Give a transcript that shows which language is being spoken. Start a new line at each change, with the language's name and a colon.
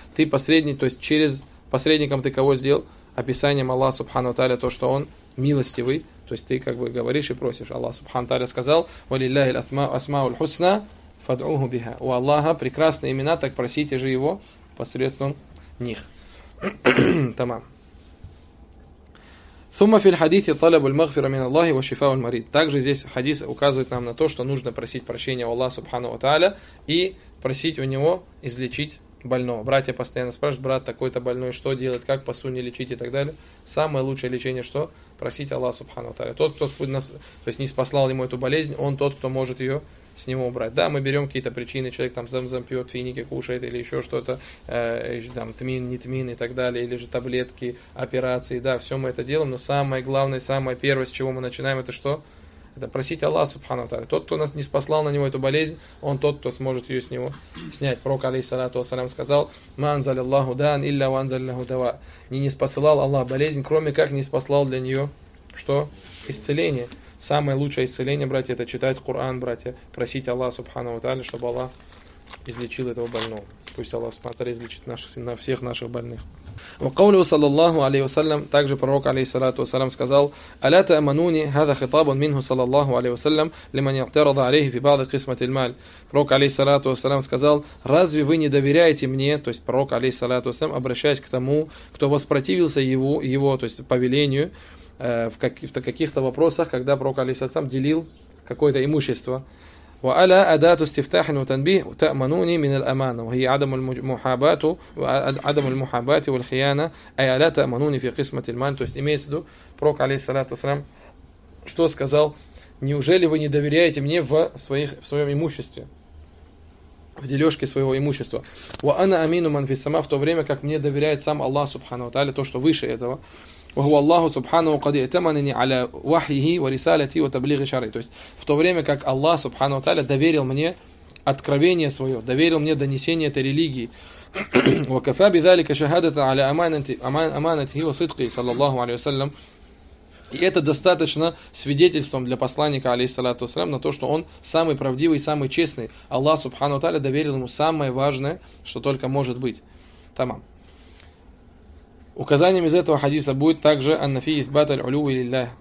Russian: Ты посредник, то есть через посредником ты кого сделал? Описанием Аллаха Субхану Тааля, то, что Он милостивый. То есть ты как бы говоришь и просишь. Аллах Субхану Тааля сказал,
Arabic: «Валиллахи асмауль хусна фад'уху биха».
Russian: У Аллаха прекрасные имена, так просите же Его посредством них. Тамам.
Arabic: ثم في الحديث طلب المغفرة من الله وشفاء المريض.
Russian: Также здесь хадис указывает нам на то, что нужно просить прощения у Аллаха Субхану ва Тааля и просить у него излечить больного. Братья постоянно спрашивают: брат такой-то больной, что делать, как по сунне лечить и так далее. Самое лучшее лечение что? Просить Аллаха Субхану ва Тааля. Тот, кто то есть не спасал ему эту болезнь, он тот, кто может ее с него убрать. Да, мы берем какие-то причины, человек там зам-зам пьет, финики кушает или еще что-то, там тмин, не тмин и так далее, или же таблетки, операции, да, все мы это делаем, но самое главное, самое первое, с чего мы начинаем, это что? Это просить Аллах, субхану тааля. Тот, кто нас не спаслал на него эту болезнь, он тот, кто сможет ее с него снять. Пророк, алейхиссалату вассалям, сказал:
Arabic: «Ма анзаля Аллаху даан, илля ва анзаля лаху дава».
Russian: Не спасал Аллах болезнь, кроме как не спаслал для нее, что? Исцеление. Самое лучшее исцеление, братья, это читать Коран, братья, просить Аллаха, субхану тааля, чтобы Аллах излечил этого больного. Пусть Аллах, субхану тааля, излечит наших, всех наших больных.
Arabic: В قوله صلى الله عليه وسلم
Russian: также пророк алейхиссалату вассалям сказал:
Arabic: "Аля таамануни хаза хитабун минху صلى الله عليه وسلم لمن يعترض عليه في بعض قسمة المال".
Russian: Пророк алейхиссалату вассалям сказал: "Разве вы не доверяете мне?" То есть пророк алейхиссалату вассалям, обращаясь к тому, кто воспротивился его, то есть повелению, в каких-то вопросах, когда пророк алейхиссалату вассалям делил какое-то имущество.
Arabic: وَأَلَا أَدَاةُ اسْتِفْتَاحٍ وَتَنْبِيهٍ تَأْمَنُونِي مِنَ الْأَمَانَةِ وَهِيَ عَدَمُ الْمُحَابَاتِ وَعَدَمُ الْمُحَابَاتِ وَالْخِيَانَةِ أَيْ أَلَا تَأْمَنُونِي فِي قِسْمَةِ الْمَالِ.
Russian: То есть имеется в виду пророк алейхиссалату вассалям, что сказал: неужели вы не доверяете мне в своем имуществе, в дележке своего имущества?
Arabic: وَأَنَا أَمِينُ مَنْ فِي السَّمَاءِ,
Russian: в то время как мне доверяет сам Аллах субхана ва тааля, то, что выше этого.
Arabic: وهو الله سبحانه قد ائتمنني على وحيه ورسالتي وتبليغ شرعي.
Russian: То есть в то время как Аллах субхана ва тааля доверил мне откровение свое, доверил мне донесение этой религии.
Arabic: وكفى بذلك شهادة على امانته وصدقه صلى الله عليه وسلم.
Russian: И это достаточно свидетельством для посланника алейхиссалату вассалям на то, что он самый правдивый, самый честный. Аллах субхана ва тааля доверил ему самое важное, что только может быть. Тамам. Указанием из этого хадиса будет также
Arabic: «Аннафиев баталь улю илиллях».